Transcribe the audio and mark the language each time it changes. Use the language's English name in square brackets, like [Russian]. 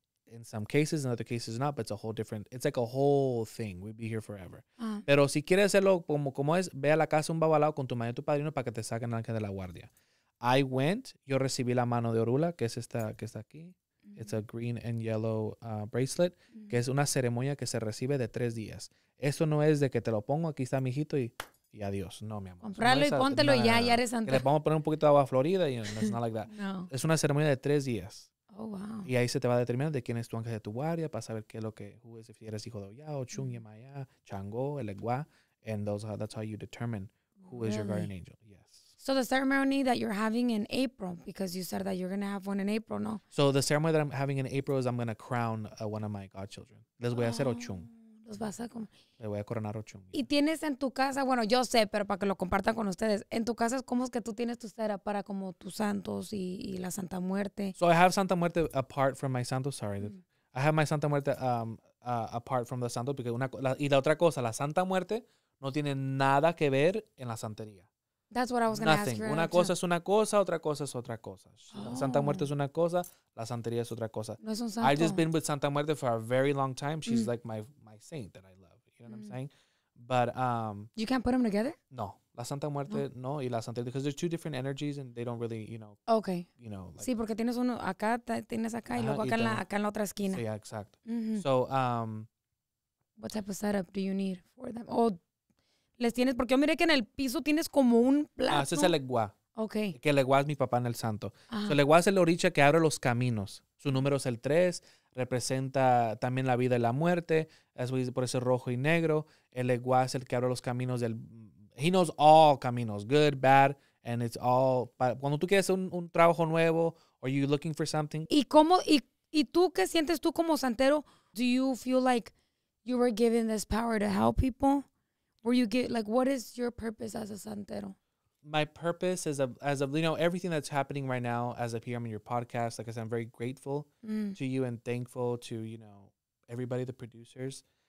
[English] In some cases, in other cases not, but it's a whole different, it's like a whole thing. We'd be here forever. [Spanish] Pero si quieres hacerlo como, como es, ve a la casa un babalao con tu madre y tu padrino para que te saquen ángel de la guardia. [English] I went, [Spanish] yo recibí la mano de Orula, que es esta que está aquí. Mm-hmm. [English] It's a green and yellow bracelet, mm-hmm. [Spanish] que es una ceremonia que se recibe de 3 días. Esto no es de que te lo pongo, aquí está mi hijito y adiós. No, mi amor. Comprarlo no y póntelo y ya eres santo. Le vamos a poner un poquito de agua florida y [English] you know, it's not like that. [Spanish] No. Es una ceremonia de 3 días. [English] Oh, wow. [Spanish] Y ahí se te va a determinar de quién es tu ángel de tu guardia para saber qué es lo que, [English] who is, if [Spanish] eres hijo de Oya, o Chung, Yemaya, Chango, Elegua, [English] and those are, that's how you determine who is your guardian angel. Yes. So the ceremony that you're having in April, because you said that you're going to have one in April, [Spanish] no? [English] So the ceremony that I'm having in April is I'm going to crown one of my godchildren. [Spanish] Les voy a hacer Ochung. Los vas a com- Le voy a coronar Ochung. Y tienes en tu casa, bueno, yo sé, pero para que lo compartan con ustedes, en tu casa, ¿cómo es que tú tienes tu cera para como tus santos y la Santa Muerte? [English] So I have Santa Muerte apart from my santos, sorry. Mm. I have my Santa Muerte apart from the santos, because [Spanish] una, la, y la otra cosa, la Santa Muerte no tiene nada que ver en la santería. [English] That's what I was going to ask you. [Spanish] Una cosa es una cosa, otra cosa es otra cosa. Oh. Santa Muerte es una cosa, la santería es otra cosa. No es un santo. [English] I've just been with Santa Muerte for a very long time. She's like my saint that I love. You know what I'm saying? But you can't put them together? [Spanish] No. La Santa Muerte, no. Y la santería, [English] because they're two different energies and they don't really, you know. Okay. You know. Like, [Spanish] sí, porque tienes uno acá, tienes acá y luego acá, y acá en la otra esquina. Sí, exacto. Mm-hmm. [English] So, what type of setup do you need for them? [Spanish] Oh, les tienes, porque yo miré que en el piso tienes como un plato. Ah, ese es el Legua. Ok. Que Legua es mi papá en el santo. [English] So, [Spanish] Legua es el oricha que abre los caminos. Su número es el 3, representa también la vida y la muerte, es por eso rojo y negro. El Legua es el que abre los caminos del, [English] he knows all caminos, good, bad, and it's all, [Spanish] cuando tú quieres un trabajo nuevo, [English] or you looking for something. [Spanish] ¿Y cómo, y tú qué sientes tú como santero? [English] Do you feel like you were given this power to help people? Or you get, like, what is your purpose as a santero? My purpose is, you know, everything that's happening right now as a PM in your podcast, like I said, I'm very grateful to you and thankful to, you know, everybody, the producers.